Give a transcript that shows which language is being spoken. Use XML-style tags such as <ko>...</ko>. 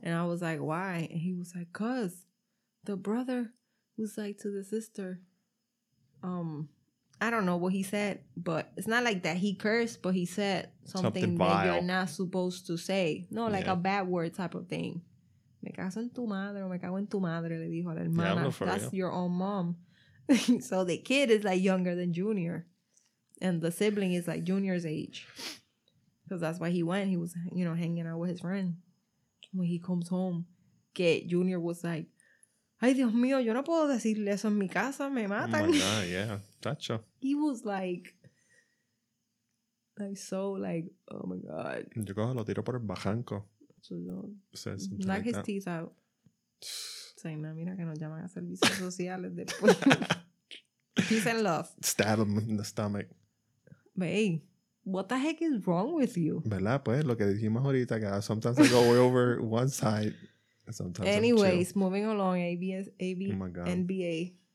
<en>And I was like, why? And he was like, because the brother was like to the sister, I don't know what he said, but it's not like that he cursed, but he said something that you're not supposed to say. No, like a bad word type of thing.</en> <es>Me caso en tu madre, me cago en tu madre, le dijo a la hermana.</es> <en>Yeah, that's real. Your own mom. So the kid is like younger than Junior. And the sibling is like Junior's age. Because that's why he went. He was, you know, hanging out with his friend. When he comes home,</en> <es>que</es> <en>Junior was like,</en> <es>ay, Dios mío, yo no puedo decirle eso en mi casa, me matan.</es> <en>Oh my God, yeah, gotcha. He was like so like, oh my God.</en> <es>Yo cojo lo tiro por el bajanco.</es> <en>Knock his teeth out.</en> <es>Say, no, mira que nos llaman a servicios sociales después.</es> <en>Peace and love. Stab him in the stomach. But hey, what the heck is wrong with you?</en> <es>¿Verdad? Pues lo que dijimos ahorita, que</es> <en>sometimes I go way over one side. Sometimes anyways, moving along, ABS, AB, oh my God. NBA.</en>